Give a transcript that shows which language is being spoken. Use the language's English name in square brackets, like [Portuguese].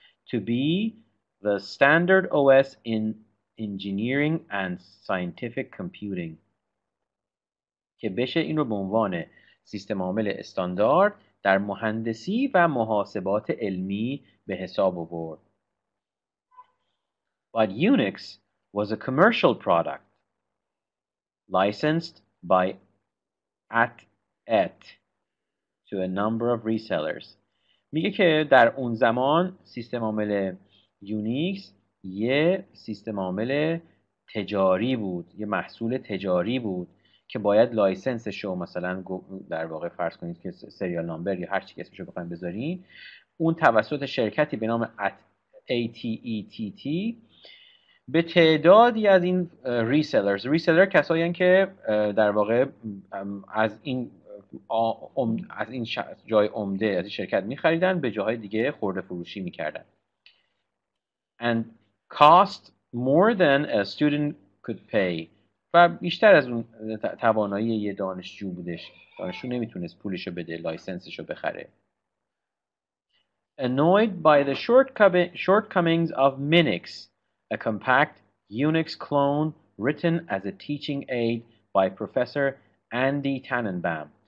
[English] To be the standard OS in engineering and scientific computing. [Persian] که بشه این رو به عنوان سیستم عامل استاندارد در مهندسی و محاسبات علمی به حساب آورد. [English] But Unix was a commercial product. Licensed by at to a number of resellers. [Persian] میگه که در اون زمان سیستم عامل یونیکس یه سیستم عامل تجاری بود، یه محصول تجاری بود که باید لایسنسش رو مثلا در واقع فرض کنید که سریال نامبر یا هر چی اسمش رو بخواید بذارین، اون توسط شرکتی به نام ATETT به تعدادی از این ریسلرز، ریسلر کسایی هستند که در واقع از این از این جای عمده از این شرکت میخریدن به جاهای دیگه خورده فروشی میکردن. [English] And cost more than a student could pay. [Persian] و بیشتر از اون توانایی یه دانشجو بودش. دانشجو نمیتونست پولشو بده، لایسنسشو بخره. [English] Annoyed by the shortcomings of Minix, a compact Unix clone written as a teaching aid by Professor Andy Tannenbaum.